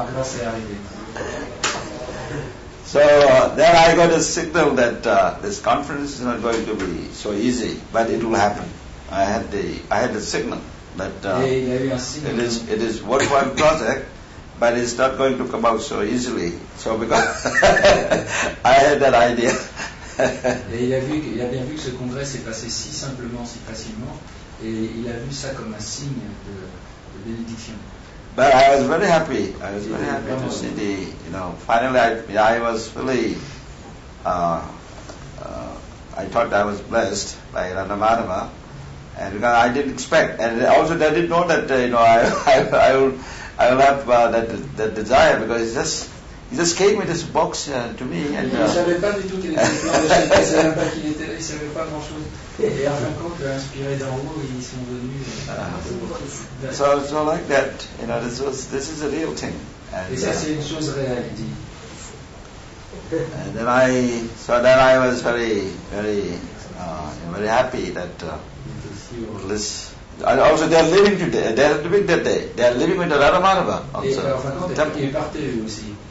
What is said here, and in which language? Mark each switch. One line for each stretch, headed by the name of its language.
English: So then I got a signal that this conference is not going to be so easy, but it will happen. I had the signal that it is worthwhile project, but it's not going to come out so easily. So because I had that idea.
French: Et il a bien vu que ce congrès s'est passé si simplement, si facilement, et il a vu ça comme un signe de bénédiction.
English: But I was very happy. I was very happy to see the, you know, finally I was really, I thought I was blessed by Radha Madhava, and because I didn't expect, and also they didn't know that, you know, I will have that desire, because he just came with this box to me.
French: Il ne savait pas du tout qu'il était blanc, il ne savait pas qu'il était, il ne savait pas grand-chose. Et en fin de compte, inspiré d'en haut, ils sont venus.
English: So like that, you know, this is a real thing.
French: And, et ça, c'est une chose réelle, il dit.
English: And then I was very, very, very happy that this. And also, they are living today. They are living that day. They are living with the Radha Madhava. Also,
French: et en fin de compte, ils partaient aussi.